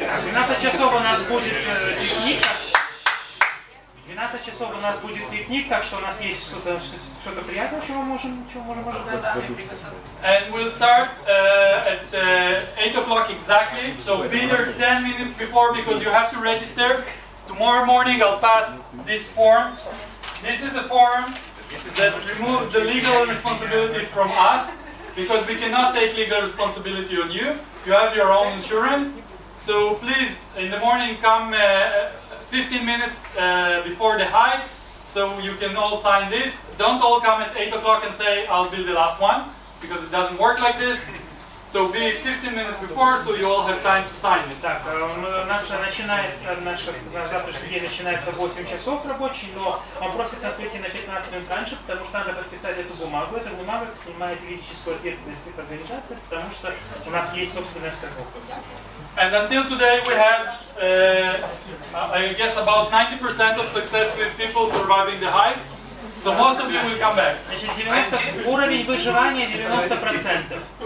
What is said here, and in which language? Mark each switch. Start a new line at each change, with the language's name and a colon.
Russian: 12 часов у нас будет пикник. 12 часов у нас будет пикник, так что у нас есть что-то приятное, чего можем ожидать.
English: And we'll start at 8 o'clock exactly, so be there 10 minutes before because you have to register. Tomorrow morning I'll pass this form. This is the form that removes the legal responsibility from us because we cannot take legal responsibility on you. You have your own insurance. So please, in the morning, come 15 minutes before the hike, so you can all sign this. Don't all come at 8 o'clock and say, I'll be the last one, because it doesn't work like this. So be 15 minutes before, so you all have time to sign it.
Russian: Так, наш завтрашний день начинается в 8 часов рабочий, но он просит нас прийти на 15 минут раньше, потому что надо подписать эту бумагу. Эта бумага снимает юридическую ответственность от организации, потому что у нас есть собственная страховка.
English: And until today we had, I guess, about 90% of success with people surviving the hikes. So most of you will come back.
Russian: Значит, 90% уровень выживания 90%.